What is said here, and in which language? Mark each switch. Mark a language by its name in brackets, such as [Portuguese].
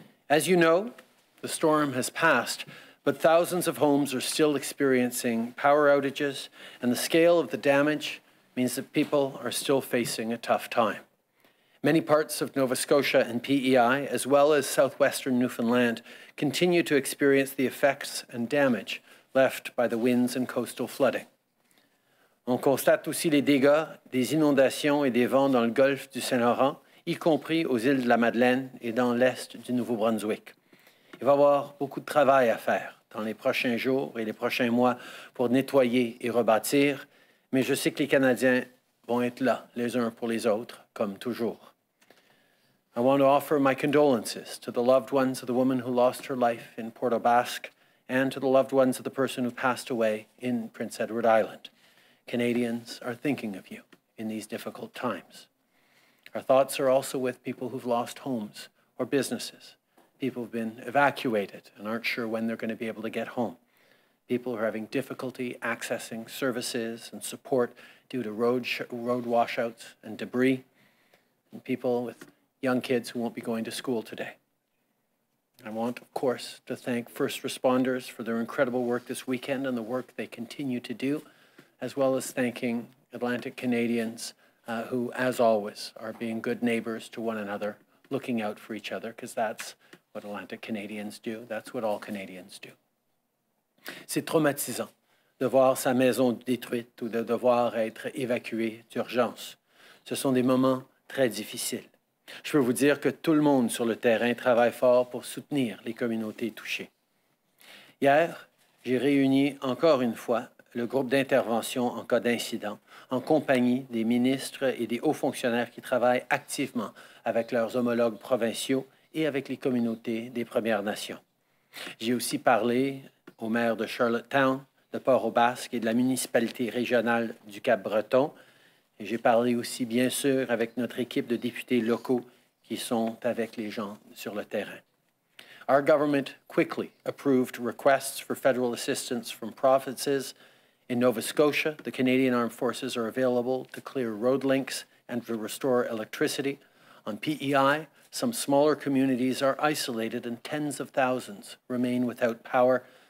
[English] As you know, the storm has passed, but thousands of homes are still experiencing power outages, and the scale of the damage means that people are still facing a tough time. Many parts of Nova Scotia and PEI, as well as southwestern Newfoundland, continue to experience the effects and damage left by the winds and coastal flooding. [French] On constate aussi les dégâts des inondations et des vents dans le golfe du Saint-Laurent, y compris aux îles de la Madeleine et dans l'est du Nouveau-Brunswick. Il va y avoir beaucoup de travail à faire dans les prochains jours et les prochains mois pour nettoyer et rebâtir, mais je sais que les Canadiens vont être là les uns pour les autres, comme toujours. [English] I want to offer my condolences to the loved ones of the woman who lost her life in Porto Basque and to the loved ones of the person who passed away in Prince Edward Island. Canadians are thinking of you in these difficult times. Our thoughts are also with people who've lost homes or businesses, people who've been evacuated and aren't sure when they're going to be able to get home, people who are having difficulty accessing services and support due to road washouts and debris, and people with young kids who won't be going to school today. I want, of course, to thank first responders for their incredible work this weekend and the work they continue to do, as well as thanking Atlantic Canadians who, as always, are being good neighbours to one another, looking out for each other, because that's what Atlantic Canadians do. That's what all Canadians do. [French] C'est traumatisant de voir sa maison détruite ou de devoir être évacué d'urgence. Ce sont des moments très difficiles. Je peux vous dire que tout le monde sur le terrain travaille fort pour soutenir les communautés touchées. Hier, j'ai réuni encore une fois le groupe d'intervention en cas d'incident, en compagnie des ministres et des hauts fonctionnaires qui travaillent activement avec leurs homologues provinciaux et avec les communautés des Premières Nations. J'ai aussi parlé au maire de Charlottetown, de Port-au-Basque et de la municipalité régionale du Cap-Breton. J'ai parlé aussi, bien sûr, avec notre équipe de députés locaux qui sont avec les gens sur le terrain. [English] Our government quickly approved requests for federal assistance from provinces. In Nova Scotia, the Canadian Armed Forces are available to clear road links and to restore electricity. On PEI, some smaller communities are isolated and tens of thousands remain without power.